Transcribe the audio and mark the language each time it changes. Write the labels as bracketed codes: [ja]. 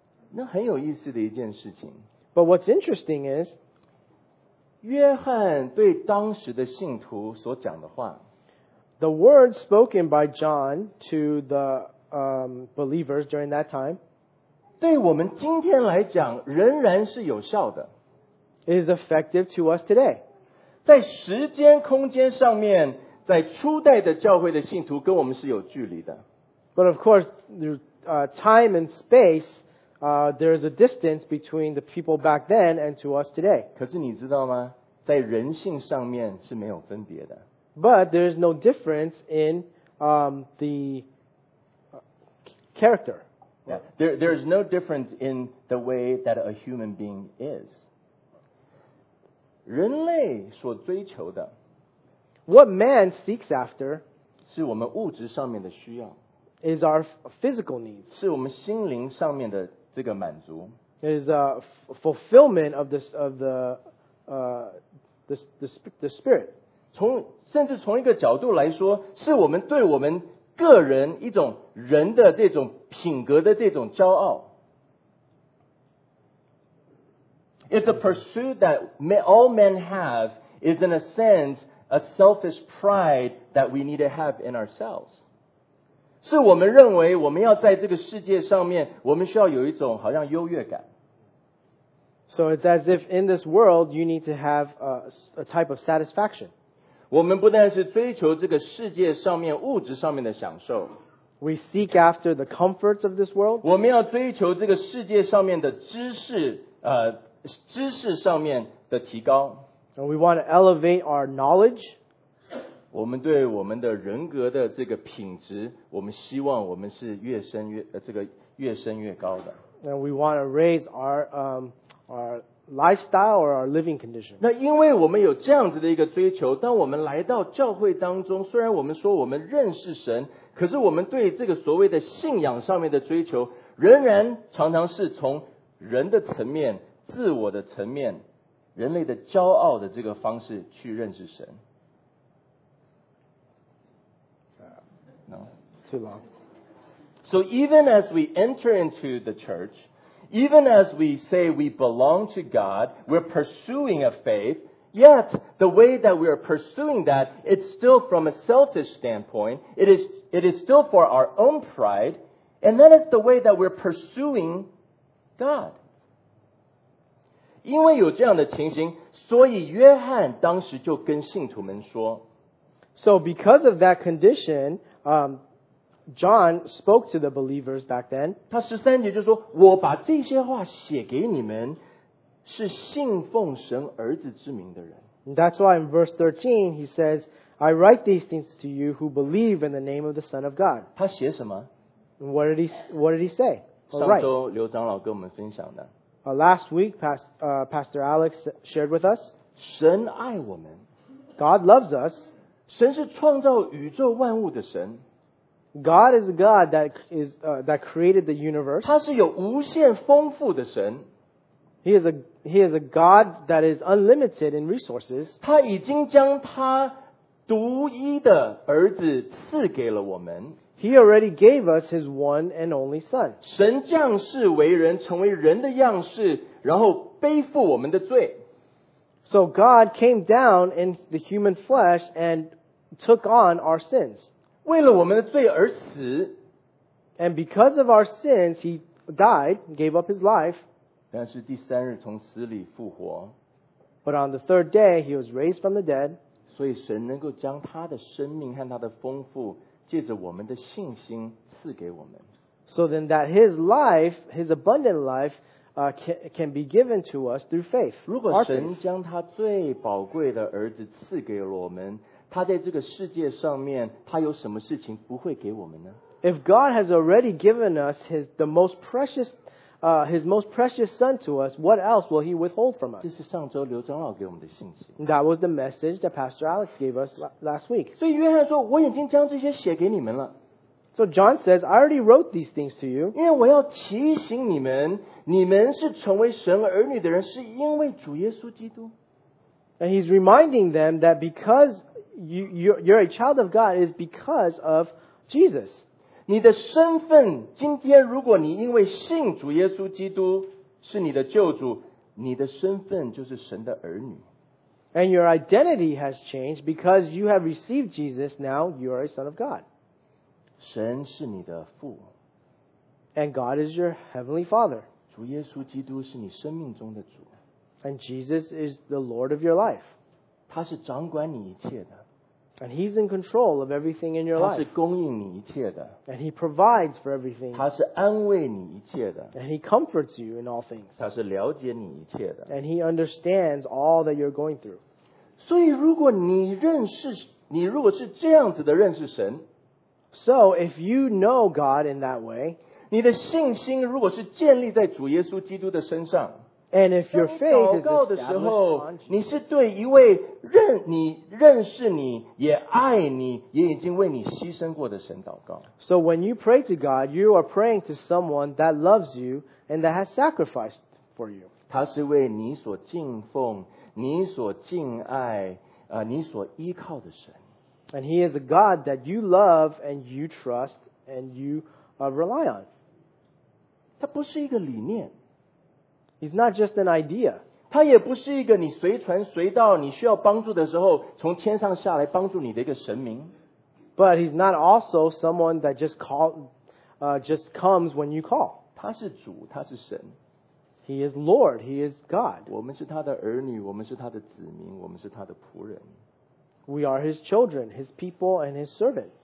[zh] 那很有意思的一件事情。 [en] But what's interesting is, [zh] 约翰对当时的信徒所讲的话 [en] The words spoken by John to the believers during that time [zh] 对我们今天来讲仍然是有效的 [en] is effective to us today [zh] 在时间空间上面在初代的教会的信徒跟我们是有距离的 [en] But of course time and spacethere is a distance between the people back then and to us today. [zh] 可是你知道吗？在人性上面是没有分别的。 [en] But there is no difference in the character. Yeah. There is no difference in the way that a human being is. [zh] 人类所追求的 [en] What man seeks after [zh] 是我们物质上面的需要 [en] is our physical needs. [zh] 是我们心灵上面的这个满足 [en] is a fulfillment of this of the the spirit. [zh] 从甚至从一个角度来说，是我们对我们个人一种人的这种品格的这种骄傲。 [en] It's a pursuit that all men have is in a sense a selfish pride that we need to have in ourselves. [zh] 是我们认为我们要在这个世界上面，我们需要有一种好像优越感。 [en] So it's as if in this world you need to have a type of satisfaction. [zh] 我们不但是追求这个世界上面物质上面的享受。 [en] We seek after the comforts of this world. [zh] 我们要追求这个世界上面的知识上面的提高。 [en] And we want to elevate our knowledge. [zh] 我们对我们的人格的这个品质，我们希望我们是越升越这个越升越高的。 [en] And we want to raise our lifestyle or our living condition. [zh] 那因为我们有这样子的一个追求，当我们来到教会当中，虽然我们说我们认识神，可是我们对这个所谓的信仰上面的追求，仍然常常是从人的层面、自我的层面、人类的骄傲的这个方式去认识神。 [en] Too long. So even as we enter into the church, even as we say we belong to God, we're pursuing a faith, yet the way that we are pursuing that, it's still from a selfish standpoint. It is still for our own pride. And that is the way that we're pursuing God. [zh] 因为有这样的情形，所以约翰当时就跟信徒们说。 [en] So because of that condition, John spoke to the believers back then. [zh] 他十三节就说，我把这些话写给你们，是信奉神儿子之名的人。 [en] That's why in verse 13 he says, I write these things to you who believe in the name of the Son of God. [zh] 他写什么？ [en] What did he say? [zh] 上周刘长老跟我们分享的。 [en] Last week, Pastor Alex shared with us. [zh] 神爱我们。 [en] God loves us. [zh] 神是创造宇宙万物的神。 [en] God is a God that created the universe. [zh] 他是有无限丰富的神。 [en] He is a God that is unlimited in resources. [zh] 他已经将他独一的儿子赐给了我们。 [en] He already gave us his one and only son. [zh] 神降世为人，成为人的样式，然后背负我们的罪。 [en] So God came down in the human flesh and took on our sins. [zh] 为了我们的罪而死。 [en] And because of our sins, he died, gave up his life. [zh] 但是第三日从死里复活。 [en] But on the third day, he was raised from the dead. [zh] 所以神能够将他的生命和他的丰富借着我们的信心赐给我们。 [en] So then that his life, his abundant life, can be given to us through faith. [zh] 如果神将他最宝贵的儿子赐给了我们，他在这个世界上面，他有什么事情不会给我们呢？ [en] If God has already given us his most precious son to us, what else will he withhold from us? [zh] 这是上周刘长老给我们的信息。 [en] That was the message that Pastor Alex gave us last week. [zh] 所以约翰说，我已经将这些写给你们了。 [en] So John says, I already wrote these things to you. [zh] 因为我要提醒你们，你们是成为神儿女的人，是因为主耶稣基督。 [en] And he's reminding them that because you're a child of God is because of Jesus. [zh] 你的身份，今天如果你因为信主耶稣基督是你的救主，你的身份就是神的儿女。 [en] And your identity has changed because you have received Jesus, now you are a son of God. [zh] 神是你的父。 [en] And God is your heavenly Father. [zh] 主耶稣基督是你生命中的主。 [en] And Jesus is the Lord of your life. [zh] 他是掌管你一切的。 [en] And he's in control of everything in your life. [zh] 他是供应你一切的。 [en] And he provides for everything. [zh] 他是安慰你一切的。 [en] And he comforts you in all things. [zh] 他是了解你一切的。 [en] And he understands all that you're going through. [zh] 所以如果你认识，你如果是这样子的认识神。 [en] So if you know God in that way, [zh] 你的信心如果是建立在主耶稣基督的身上， [en] and if your faith [zh] 当你祷告的时候，你是对一位认识你也爱你也已经为你牺牲过的神祷告。 [en] So when you pray to God, you are praying to someone that loves you and that has sacrificed for you. [zh] 他是为你所敬奉、你所敬爱、你所依靠的神。 [en] And he is a God that you love and you trust and youRely on. [zh] 它不是一个理念。 [en] It's not just an idea. [zh] 它也不是一个你随传随到，你需要帮助的时候从天上下来帮助你的一个神明。 [en] But he's not also someone that just comes when you call. [zh] 他是主，他是神。 [en] He is Lord. He is God. [zh] 我们是他的儿女，我们是他的子民，我们是他的仆人。 [en] We are his children, his people, and his servant.